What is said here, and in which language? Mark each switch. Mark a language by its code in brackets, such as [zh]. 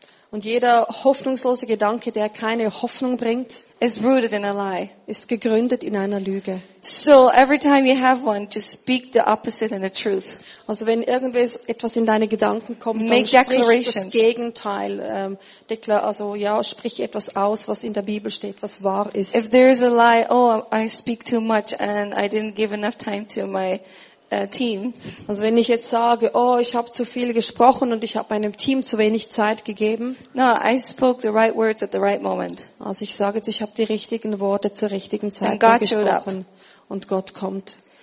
[de] und jeder hoffnungslose Gedanke, der keine Hoffnung bringt, [en] is rooted in a lie. [de] Ist gegründet in einer Lüge. [en] So every time you have one, just speak the opposite and the truth. [de] Also wenn irgendwas etwas in deine Gedanken kommt, make dann sprich das Gegenteil. Sprich etwas aus, was in der Bibel steht, was wahr ist. [en] If there is a lie, oh, I speak too much and I didn't give enough time to my team. [de] Also wenn ich jetzt sage, oh, ich habe zu viel gesprochen und ich habe meinem Team zu wenig Zeit gegeben. [en] No, I spoke the right words at the right moment. [de] Also ich sage jetzt, ich habe die richtigen Worte zur richtigen Zeit gesprochen und Gott kommt.